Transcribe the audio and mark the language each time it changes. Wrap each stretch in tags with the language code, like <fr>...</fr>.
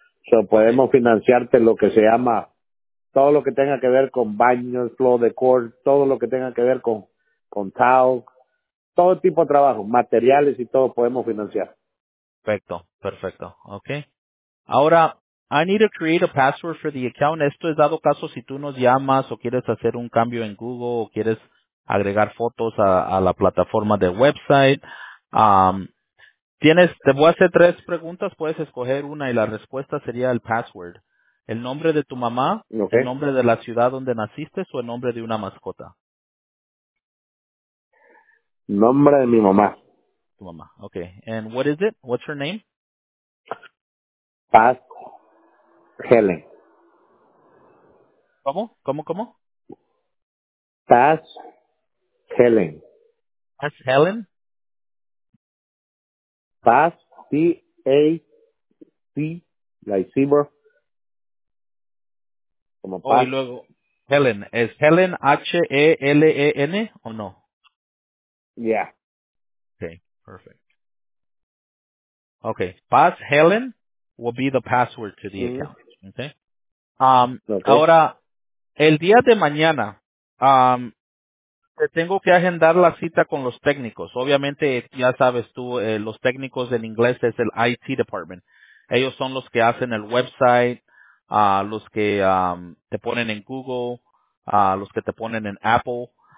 <es>So, podemos financiarte lo que se llama, todo lo que tenga que ver con baños,</es> <en>floor decor,</en> <es>todo lo que tenga que ver con</es> <en>towel,</en> <es>todo tipo de trabajo, materiales y todo podemos financiar. Perfecto. Okay. Ahora,</es> <en>I need to create a password for the account.</en> <es>Esto es dado caso si tú nos llamas o quieres hacer un cambio en Google o quieres agregar fotos a la plataforma de website. Te voy a hacer 3 preguntas. Puedes escoger una y la respuesta sería el password. El nombre de tu mamá, okay. El nombre de la ciudad donde naciste o el nombre de una mascota. Nombre de mi mamá.</es> <en>Mamá. Okay. And what is it? What's her name? Paz Helen.</en> <es>¿Cómo? Paz Helen. Paz Helen?</es> <en>PAS, P-A-C, like Zebra.</en> <es>Como PAS. Oh, y luego, Helen, ¿es Helen H-E-L-E-N o no?</es> <en>Yeah. Okay, perfect. Okay, PAS Helen will be the password to the account. Okay. Okay.</en> <es>Ahora, el día de mañana, tengo que agendar la cita con los técnicos. Obviamente, ya sabes tú, los técnicos en inglés es el IT department. Ellos son los que hacen el website, los que te ponen en Google, los que te ponen en Apple.</es>